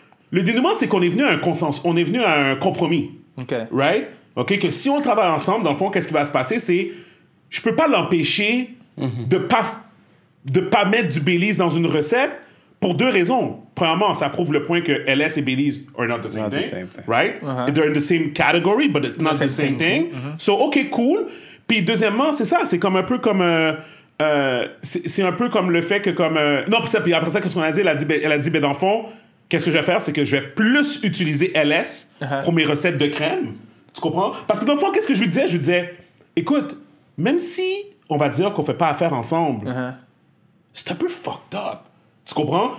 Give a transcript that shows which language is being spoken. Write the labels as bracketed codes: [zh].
[fr] Le dénouement, c'est qu'on est venu à un consensus, on est venu à un compromis. OK. [en] Right? [fr] OK, que si on travaille ensemble, dans le fond, qu'est-ce qui va se passer, c'est... Je peux pas l'empêcher de pas mettre du Baileys dans une recette pour deux raisons. Premièrement, ça prouve le point que LS et Baileys [en] are not the same, thing, right? [fr] Uh-huh. [en] They're in the same category, but it's not the same thing. Thing. Uh-huh. So, OK, cool. [fr] Puis deuxièmement, c'est ça, c'est comme un peu comme... c'est un peu comme le fait que comme... non, puis, ça, puis après ça, qu'est-ce qu'on a dit? Elle a dit, ben dans le fond, qu'est-ce que je vais faire? C'est que je vais plus utiliser LS pour mes recettes de crème. Tu comprends? Parce que dans le fond, qu'est-ce que je lui disais? Je lui disais, écoute, même si on va dire qu'on fait pas affaire ensemble, c'est un peu [en] fucked up. [fr] Tu comprends?